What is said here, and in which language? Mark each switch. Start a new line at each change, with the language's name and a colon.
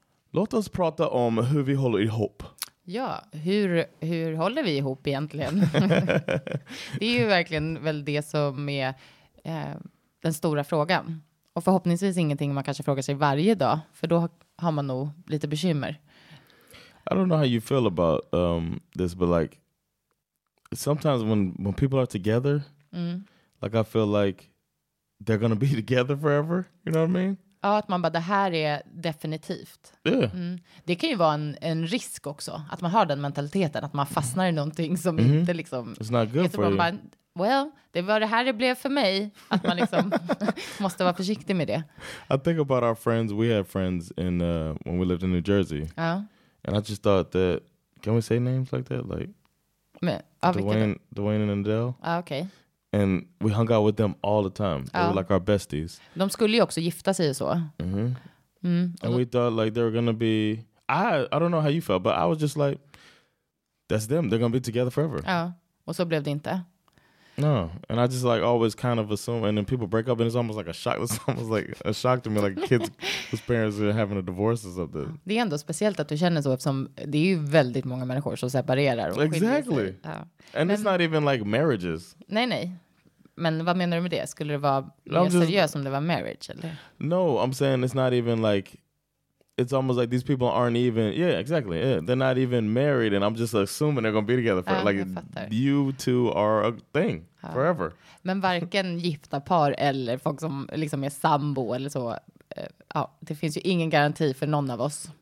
Swedish: Låt oss prata om hur vi håller ihop. Ja, hur håller vi ihop egentligen? Det är ju verkligen väl det som är den stora frågan. Och förhoppningsvis ingenting man kanske frågar sig varje dag. För då har man nog lite bekymmer.
English: I don't know how you feel about this, but like sometimes when people are together, like I feel like they're gonna be together forever. You know what I mean?
Swedish: Ja, att man bara, det här är definitivt.
English: Yeah. Mm.
Swedish: Det kan ju vara en risk också, att man har den mentaliteten, att man fastnar i någonting som inte liksom...
English: It's not good for you. Bara,
Swedish: well, det var det här det blev för mig, att man liksom måste vara försiktig med det.
English: I think about our friends, we had friends in when we lived in New Jersey.
Swedish: Ja.
English: And I just thought that, can we say names like that? Like, Dwayne and Adele. Ah, okay. And we hung out with them all the time. They were like our besties.
Swedish: De skulle ju också gifta sig så.
English: And we thought like they were gonna be, I don't know how you felt, but I was just like, that's them. They're gonna be together forever.
Swedish: Ja, och så blev det inte.
English: No, and I just like always kind of assume, and then people break up, and it's almost like a shock. It's almost like a shock to me, like kids whose parents are having a divorce or something.
Swedish: Det är ändå speciellt att du känner så, eftersom det är ju väldigt många människor som separerar. Och
English: exactly.
Swedish: Ja.
English: And men, it's not even like marriages.
Swedish: Nej, nej. Men vad menar du med det? Skulle det vara mer seriöst om det var marriage, eller?
English: No, I'm saying it's not even like, it's almost like these people aren't even, yeah, exactly. Yeah. They're not even married and I'm just assuming they're going to be together for like you two are a thing forever.
Swedish: Men varken gifta par eller folk som liksom är sambo eller så. Ja, det finns ju ingen garanti för någon av oss.